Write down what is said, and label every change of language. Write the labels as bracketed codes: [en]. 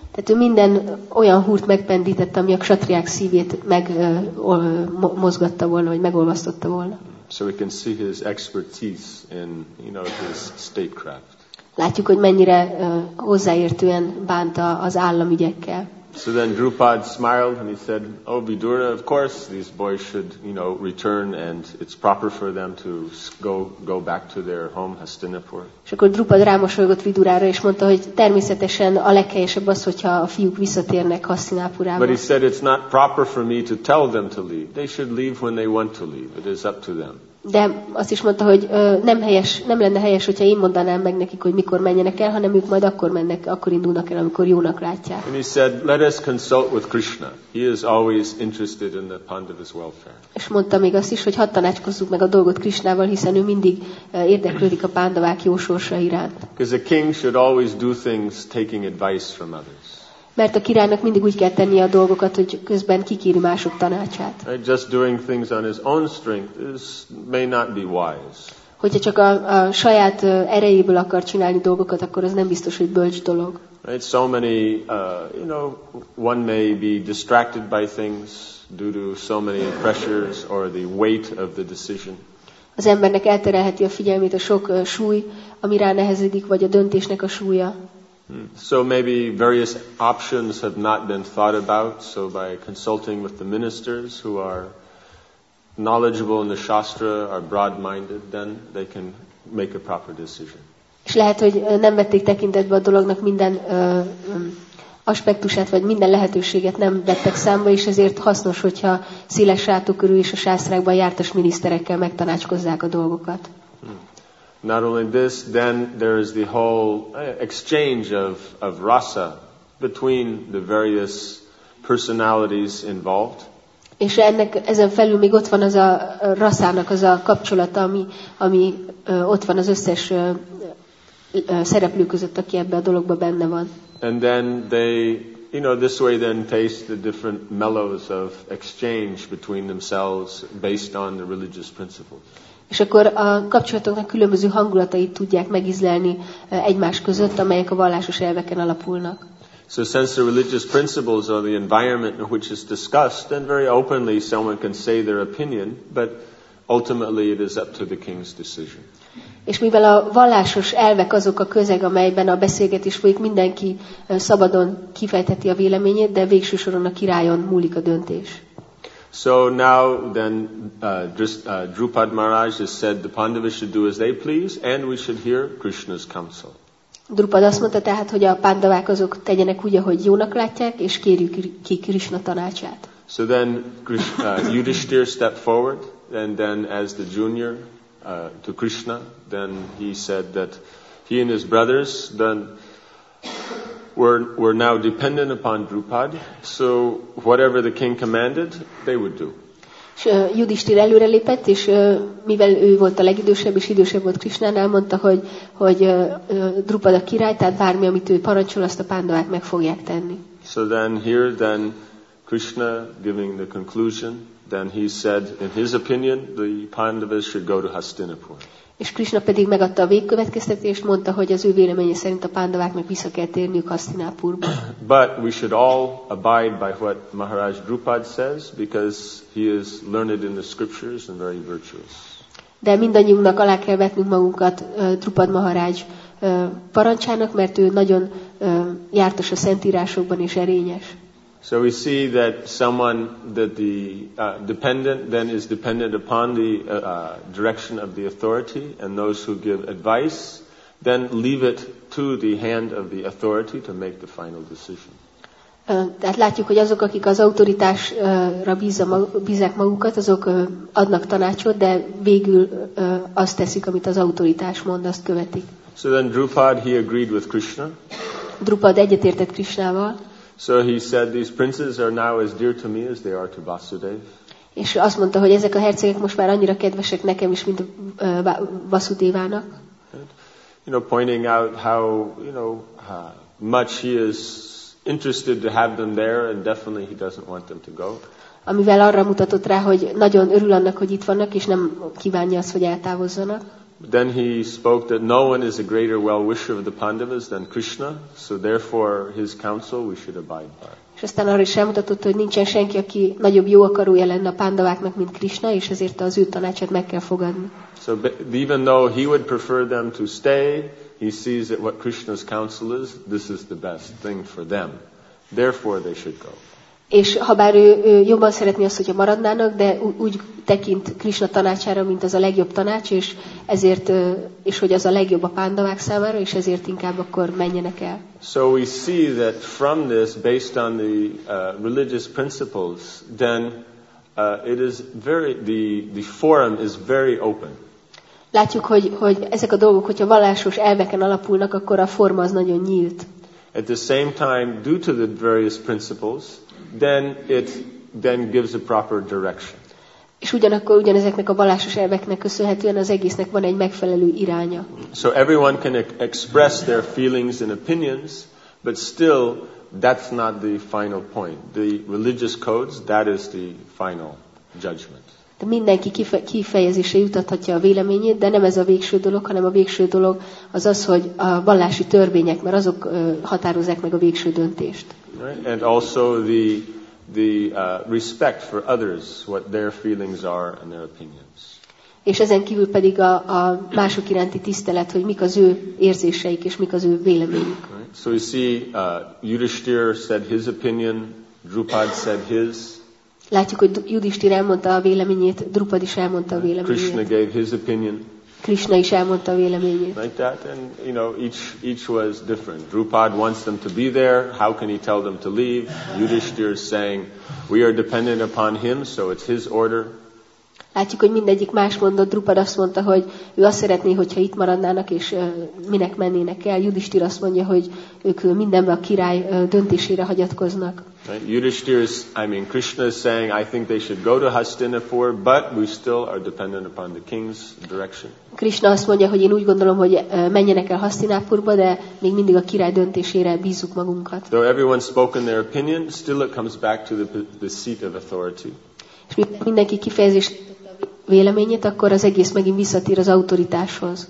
[hu] Tehát ő minden olyan húrt megpendített, ami a ksatriák szívét megmozgatta volna, vagy megolvasztotta volna. [en] So we can see his expertise in, his statecraft. [hu] Látjuk, hogy mennyire hozzáértően bánt az államügyekkel. [en] So then Drupad smiled and he said, "Oh, Vidura, of course these boys should, return and it's proper for them to go back to their home Hastinapur." [hu] És akkor Drupad rámosolygott Vidurára és mondta, hogy természetesen a leghelyesebb az, hogyha a fiúk visszatérnek Hastinapurába. [en] But he said it's not proper for me to tell them to leave. They should leave when they want to leave. It is up to them. [hu] De azt is mondta, hogy nem lenne helyes, hogyha én mondanám meg nekik, hogy mikor menjenek el, hanem ők majd akkor mennek, akkor indulnak el, amikor jónak látják. [en] And he said, "Let us consult with Krishna. He is always interested in the Pandavas' welfare." [hu] És mondta még azt is, hogy hadd tanácskozzuk meg a dolgot Krishnával, hiszen ő mindig érdeklődik a pándavák jó sorsa iránt. [en] Because a king should always do things taking advice from others. [hu] Mert a királynak mindig úgy kell tennie a dolgokat, hogy közben kikéri mások tanácsát. [en] Just doing things on his own strength may not be wise. [hu] Hogyha csak a saját erejéből akar csinálni dolgokat, akkor az nem biztos, hogy bölcs dolog. [en] Right? So many, you know, one may be distracted by things due to so many pressures or the weight of the decision. [hu] Az embernek elterelheti a figyelmét a sok súly, ami rá nehezedik, vagy a döntésnek a súlya. [en] So maybe various options have not been thought about, so by consulting with the ministers who are knowledgeable in the Shastra, are broad-minded, then they can make a proper decision. [hu] És lehet, hogy nem vették tekintetbe a dolognak minden aspektusát, vagy minden lehetőséget nem vettek számba, és ezért hasznos, hogyha széles sátorkörű és a sásztrákban jártas miniszterekkel megtanácskozzák a dolgokat. [en] Not only this, then there is the whole exchange of rasa between the various personalities involved. [hu] És ennek ezen felül még ott van az a rasának az a kapcsolata, ami ott van az összes szereplő között, aki ebbe a dologba benne van. [en] And then they, you know, this way then taste the different mellows of exchange between themselves based on the religious principles. [hu] És akkor a kapcsolatoknak különböző hangulatait tudják megízlelni egymás között, amelyek a vallásos elveken alapulnak. [en] So since the religious principles are the environment in which it's discussed, then very openly someone can say their opinion, but ultimately it is up to the king's decision. [hu] És mivel a vallásos elvek azok a közeg, amelyben a beszélgetés folyik, mindenki szabadon kifejtheti a véleményét, de végső soron a királyon múlik a döntés. [en] So now then Drupad Maharaj has said the Pandavas should do as they please, and we should hear Krishna's counsel. [hu] Drupad azt mondta tehát, hogy a Pandavák azok tegyenek úgy, ahogy jónak látják, és kérjük ki Krishna tanácsát. [en] So then Yudhishthir stepped forward, and then as the junior to Krishna, then he said that he and his brothers then were now dependent upon Drupad, so whatever the king commanded, they would do. [hu] És Yudhishthir előrelépett, és mivel ő volt a legidősebb, és idősebb volt Krishnánál, mondta, hogy Drupad a király, tehát bármi, amit ő parancsol, azt a pándavák meg fogják tenni. [en] So then here then Krishna giving the conclusion, then he said in his opinion the Pandavas should go to Hastinapur. [hu] És Krishna pedig megadta a végkövetkeztetést, mondta, hogy az ő véleménye szerint a pándaváknak vissza kell térniük Hastinapurba. [en] But we should all abide by what Maharaj Drupad says, because he is learned in the scriptures and very virtuous. [hu] De mindannyiunknak alá kell vetnünk magunkat Drupad Maharaj parancsának, mert ő nagyon jártas a szentírásokban és erényes. [en] So we see that someone that the dependent then is dependent upon the direction of the authority, and those who give advice then leave it to the hand of the authority to make the final decision. [hu] Tehát látjuk, hogy azok, akik az autoritásra bízzák magukat, azok adnak tanácsot, de végül azt teszik, amit az autoritás mond, azt követik. [en] So then Drupad, he agreed with Krishna. [hu] Drupad egyetértett Krishnával. [en] So he said, these princes are now as dear to me as they are to Vasudev. [hu] És azt mondta, hogy ezek a hercegek most már annyira kedvesek nekem is, mint Vasudevának. [en] You know, pointing out how, you know, much he is interested to have them there, and definitely he doesn't want them to go. [hu] Amivel arra mutatott rá, hogy nagyon örül annak, hogy itt vannak, és nem kívánja azt, hogy eltávozzanak. [en] Then he spoke that no one is a greater well-wisher of the Pandavas than Krishna, so therefore his counsel we should abide by. [hu] És aztán arra is elmutatott, hogy nincsen senki, aki nagyobb jó akarója lenne a pándaváknak, mint Krishna, és ezért az ő tanácsát meg kell fogadni. [en] So even though he would prefer them to stay, he sees that what Krishna's counsel is, this is the best thing for them. Therefore they should go. [hu] És habár ő jobban szeretné azt, hogyha maradnának, de úgy tekint Krishna tanácsára, mint az a legjobb tanács, és ezért és hogy az a legjobb a pándavák számára, és ezért inkább akkor menjenek el. [en] So we see that from this, based on the religious principles, then it is very the forum is very open. [hu] Látjuk, hogy ezek a dolgok, hogyha vallásos elveken alapulnak, akkor a forma az nagyon nyílt. [en] At the same time, due to the various principles, then it then gives a proper direction. [hu] És ugyanakkor ugyanezeknek a vallásos elveknek köszönhetően az egésznek van egy megfelelő iránya. [en] So everyone can express their feelings and opinions, but still that's not the final point. The religious codes, that is the final judgment. [hu] Mindenki kifejezésre jutathatja a véleményét, de nem ez a végső dolog, hanem a végső dolog az az, hogy a vallási törvények, mert azok határozzák meg a végső döntést. [en] And also the respect for others, what their feelings are and their opinions. [hu] És ezen kívül pedig a mások iránti tisztelet, hogy mik az ő érzéseik és mik az ő véleményük. [en] Right. So you see, Yudhisthira said his opinion, Drupad said his. [hu] Látjuk, hogy Yudhisthira elmondta a véleményét, Drupad is elmondta a véleményét. [en] Krishna gave his opinion. [hu] Krishna is elmondta a véleményét. [en] Like that, and you know, each was different. Drupad wants them to be there. How can he tell them to leave? Yudhisthira is saying, we are dependent upon him, so it's his order. [hu] Látjuk, hogy mindegyik más mondott. Drupad azt mondta, hogy ő azt szeretné, hogyha itt maradnának, és minek mennének el. Yudhisthira azt mondja, hogy ők mindenben a király döntésére hagyatkoznak. [en] Right. Yudhisthira is, I mean, Krishna is saying, I think they should go to Hastinapur, but we still are dependent upon the king's direction. [hu] Krishna azt mondja, hogy én úgy gondolom, hogy menjenek el Hastinapurba, de még mindig a király döntésére bízunk magunkat. [en] Though everyone spoke in their opinion, still it comes back to the seat of authority. [hu] És mindenki kifejezést véleményét, akkor az egész megint visszatér az autoritáshoz.